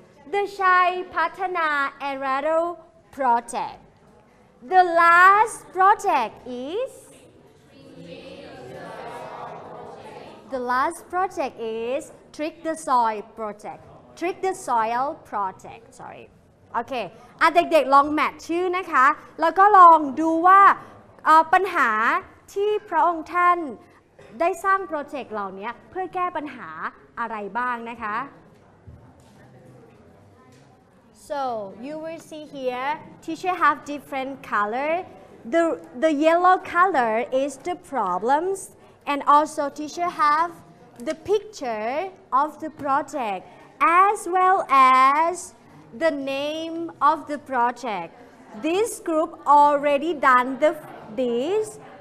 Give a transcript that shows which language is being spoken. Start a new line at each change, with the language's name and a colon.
English: the Chai Patana and Rattle Project. The last project is? The last project is Trick the Soil Project. Trick the Soil Project. Sorry.
Thai: Okay. เด็กๆลองแมทชื่อนะคะแล้วก็ลองดูว่าปัญหาที่พระองค์ท่านได้สร้างโปรเจกต์เหล่านี้เพื่อแก้ปัญหาอะไรบ้างนะคะ
English: So you will see here, teacher have different color. The yellow color is the problems, and also teacher have the picture of the project as well as the name of the project. This group already done this.